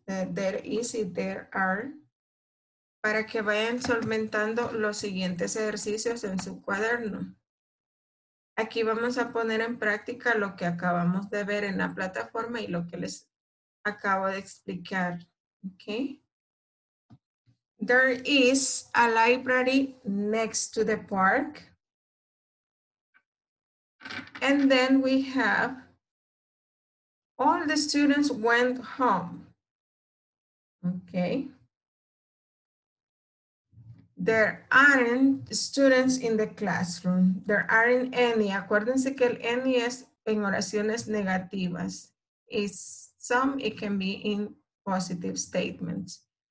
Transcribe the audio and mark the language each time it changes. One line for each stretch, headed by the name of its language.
English: There is y there are.
Spanish: Para que vayan solventando los siguientes ejercicios en su cuaderno. Aquí vamos a poner en práctica lo que acabamos de ver en la plataforma y lo que les acabo de explicar, okay?
English: There is a library next to the park. And then we have all the students went home, okay? There aren't students in the classroom. There aren't any.
Spanish: Acuérdense que el any es en oraciones negativas.
English: It's some, it can be in positive statements.